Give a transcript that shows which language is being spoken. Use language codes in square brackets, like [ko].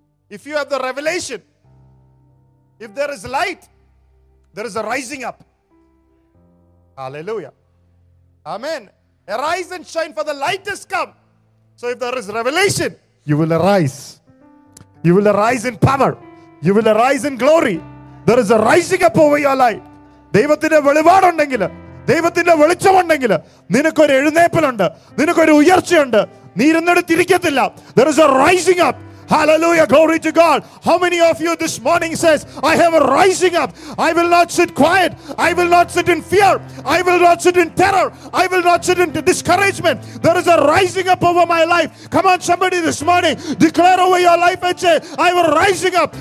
[en] If you have the revelation, if there is light, there is a rising up. Hallelujah. Amen. Arise and shine, for the light has come. So if there is revelation, you will arise. You will arise in power. You will arise in glory. There is a rising up over your life. [ml] ദൈവത്തിന്റെ വെളിപാടുണ്ടെങ്കിൽ, ദൈവത്തിന്റെ വെളിച്ചമുണ്ടെങ്കിൽ, നിനക്കൊരു എഴുന്നേപ്പലുണ്ട്, നിനക്കൊരു ഉയർച്ചയുണ്ട്, നീ ഇരുന്നെടുത്തിരിക്കത്തില്ല. [en] There is a rising up. Hallelujah, glory to God. How many of you this morning says, I have a rising up. I will not sit quiet. I will not sit in fear. I will not sit in terror. I will not sit in discouragement. There is a rising up over my life. Come on, somebody this morning, declare over your life and say, I am rising up.